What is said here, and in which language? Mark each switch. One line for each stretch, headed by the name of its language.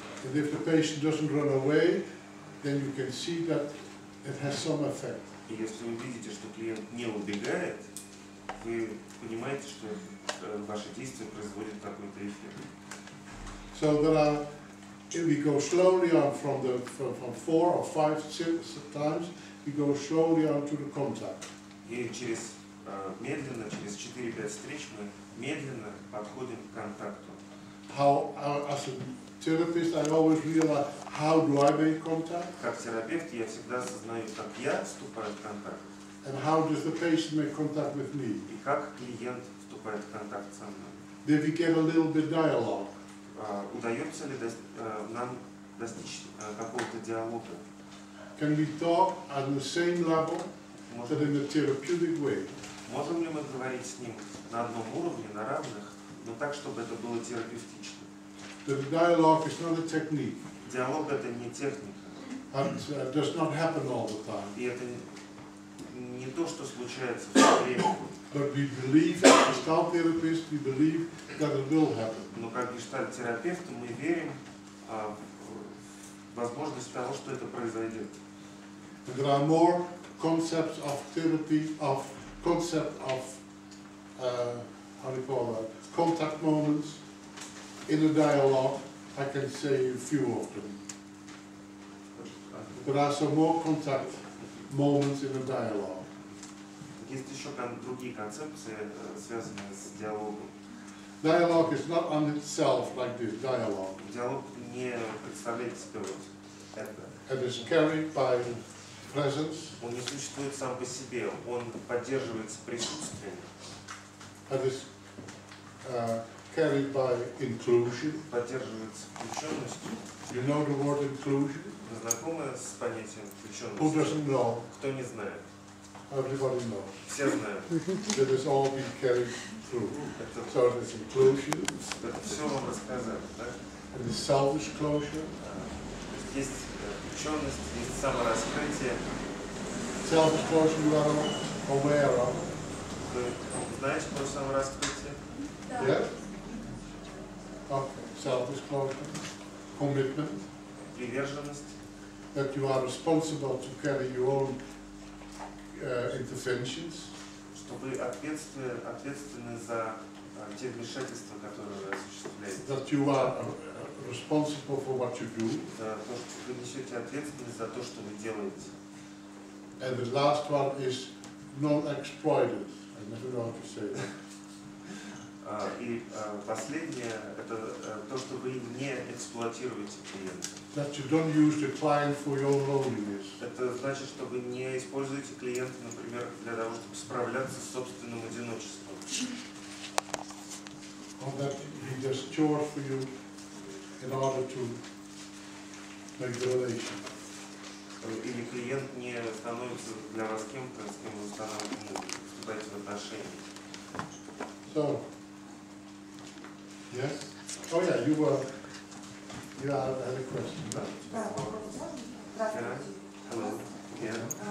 English: And if the patient doesn't run away, then you can see that it has some effect.
Russian: И если вы видите, что клиент не убегает, вы понимаете, что ваши действия производят какой-то эффект.
English: So we go slowly on from four or five times, we go slowly on to the contact.
Russian: И через медленно, через 4-5 встреч мы медленно подходим к контакту.
English: How as a therapist, I always realize how do I make contact?
Russian: Как терапевт, я всегда осознаю, как я вступаю в контакт.
English: And how does the patient make contact with me?
Russian: И как клиент вступает в контакт со мной?
English: Did we get a little bit dialogue?
Russian: Удается ли нам достичь какого-то диалога?
English: Can we talk on the same level, but in a therapeutic way?
Russian: Можем ли мы говорить с ним на одном уровне, на равных, но так, чтобы это было терапевтично?
English: The dialogue is not a technique.
Russian: Диалог это не техника.
English: And it does not happen all the time.
Russian: И это не то, что случается все время.
English: But we believe, as gestalt therapists, we believe that it will happen.
Russian: Но как гештальт-терапевты мы верим в возможность того, что это произойдет.
English: there are more concepts of therapy, of concept of how do you call that, contact moments in a dialogue. I can say a few of them. There are some more contact moments in a dialogue.
Russian: Есть еще другие концепции, связанные с диалогом.
English: Dialogue is not on itself like this dialogue.
Russian: Диалог не представляет себя вот это.
English: It is carried by presence.
Russian: Он не существует сам по себе, он поддерживается присутствием.
English: It is carried by inclusion.
Russian: Поддерживается включенностью.
English: You know the word inclusion?
Russian: Вы знакомы с понятием включенности?
English: Who doesn't know?
Russian: Кто не знает?
English: Everybody knows.
Russian: Все знают.
English: That is all being carried through. So it is inclusion.
Russian: Все вам рассказали, да?
English: It is self-disclosure.
Russian: Есть включенность, есть самораскрытие.
English: Self-disclosure you are aware of.
Russian: Вы знаете про самораскрытие? Да.
English: Yes? Okay. Self-disclosure. Commitment.
Russian: Приверженность.
English: That you are responsible to carry your own interventions.
Russian: Что вы ответственны за те вмешательства, которые вы осуществляете.
English: That you are responsible for what you do.
Russian: За то, что вы несете ответственность за то, что вы делаете.
English: And the last one is non-exploited. I never know how to say that.
Russian: И последнее, это то, что вы не эксплуатируете клиента.
English: That you don't use the client for your loneliness.
Russian: Это значит, что вы не используете клиента, например, для того, чтобы справляться с собственным одиночеством.
English: Or that he just chores for you in order to make the relationship.
Russian: Или клиент не становится для вас кем-то, с кем вы вступаете в отношения.
English: So. Yes? Oh yeah, you had a question, right?
Russian: Здравствуйте.